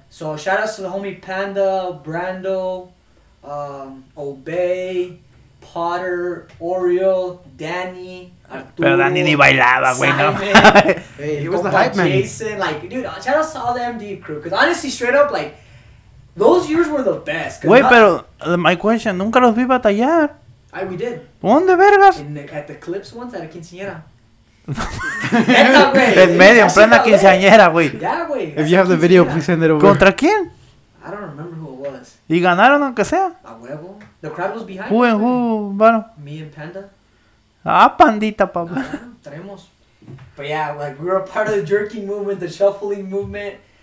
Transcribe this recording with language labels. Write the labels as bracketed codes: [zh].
[en] So, shout outs to the homie Panda, Brando, Obey, Potter, Oreo, Danny, [es] Arturo. Pero Danny ni bailaba, güey, no. [en] Hey, he was the hype man. Jason, like, dude, shout out to all the MD crew. Because honestly, straight up, like, those years were the best. Wait, [es] pero [en] my question, [es] nunca los vi batallar. [en] Ay, we did. [es] ¿Dónde, vergas? [en] At the clips once, at a quinceañera. [es] En medio, en plena quinceañera, güey. [en] Yeah, güey. If you have the video, please send it over. [es] ¿Contra quién? [en] I don't remember who it was. [es] ¿Y ganaron aunque sea? A huevo. [en] The crowd was behind. Who and who, bueno. Me and Panda. [es] Ah, pandita, papá. Traemos. [en] But yeah, like, we were a part of the jerking movement, the shuffling movement.